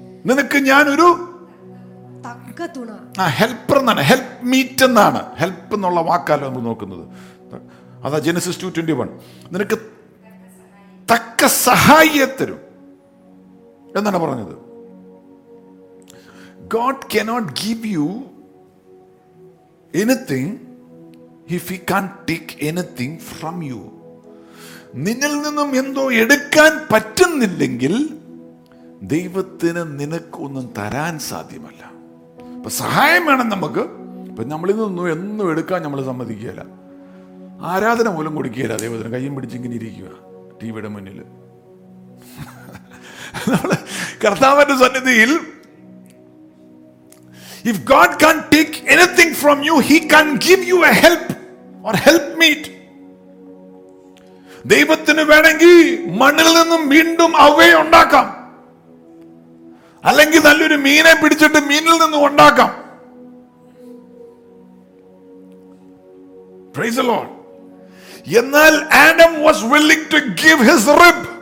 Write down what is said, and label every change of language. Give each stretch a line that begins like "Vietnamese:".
Malayalam: നിനക്ക് ഞാൻ ഒരു തക്ക തുണ, ഹെൽപ്പർ എന്നാണ്, ഹെൽപ്പ് മീറ്റ് എന്നാണ്. ഹെൽപ്പ് എന്നുള്ള വാക്കാലോ നമ്മൾ നോക്കുന്നത്. അതാ Genesis 2:21, നിനക്ക് തക്ക സഹായിയെ തരും എന്നാണ് പറഞ്ഞത്.
English: God cannot give you anything if he can't take anything from you.
Malayalam: നിന്നിൽ നിന്നും എന്തോ എടുക്കാൻ പറ്റുന്നില്ലെങ്കിൽ ദൈവത്തിന് നിനക്കൊന്നും തരാൻ സാധ്യമല്ല. അപ്പൊ സഹായം വേണം നമുക്ക്. ഇപ്പൊ നമ്മളിൽ നിന്നും എന്നും എടുക്കാൻ നമ്മൾ സമ്മതിക്കുകയല്ല, ആരാധന പോലും കൊടുക്കുകയല്ല ദൈവത്തിന്. കയ്യും പിടിച്ചിങ്ങനെ ഇരിക്കുക ടി വിയുടെ മുന്നിൽ, കർത്താവിന്റെ സന്നിധിയിൽ.
English: If God can't take anything from you, he can give you a help or help meet.
Malayalam: ദൈവത്തിനു വേണമെങ്കിൽ മണ്ണിൽ നിന്നും വീണ്ടും അവയെ ഉണ്ടാക്കാം, അല്ലെങ്കിൽ നല്ലൊരു മീനെ പിടിച്ചിട്ട് മീനിൽ നിന്നും ഉണ്ടാക്കാം.
English: Praise the Lord. എന്നാൽ Adam was willing to give his rib.